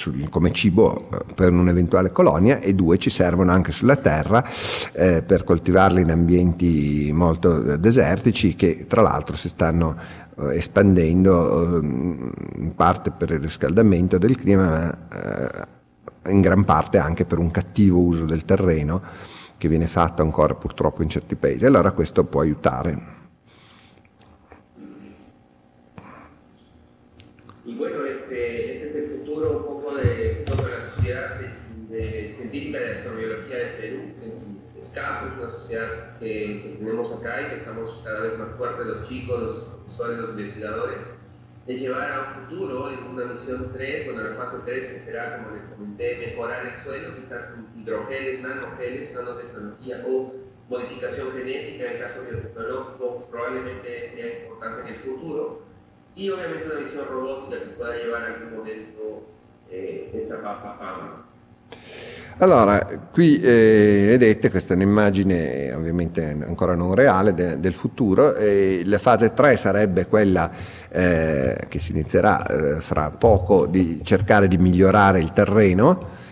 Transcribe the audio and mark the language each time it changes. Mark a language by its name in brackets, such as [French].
[Italian] come cibo per un'eventuale colonia, e due ci servono anche sulla Terra per coltivarli in ambienti molto desertici che tra l'altro si stanno espandendo in parte per il riscaldamento del clima, ma in gran parte anche per un cattivo uso del terreno che viene fatto ancora purtroppo in certi paesi. Allora questo può aiutare. [Spanish] E bueno, este es el futuro un poco de toda la sociedad científica de astrobiología del Perú, es SCAP, una sociedad que tenemos acá y que estamos cada vez más fuertes los chicos, son los investigadores, es llevar a un futuro en una misión 3, bueno, la fase 3, que será, como les comenté, mejorar el suelo, quizás con hidrogeles, nanogeles, nanotecnología o modificación genética, en el caso biotecnológico, probablemente sea importante en el futuro, y obviamente una misión robótica que pueda llevar a algún momento esta papa fama. [Italian] Allora, qui vedete, questa è un'immagine ovviamente ancora non reale del futuro, e la fase 3 sarebbe quella che si inizierà fra poco, di cercare di migliorare il terreno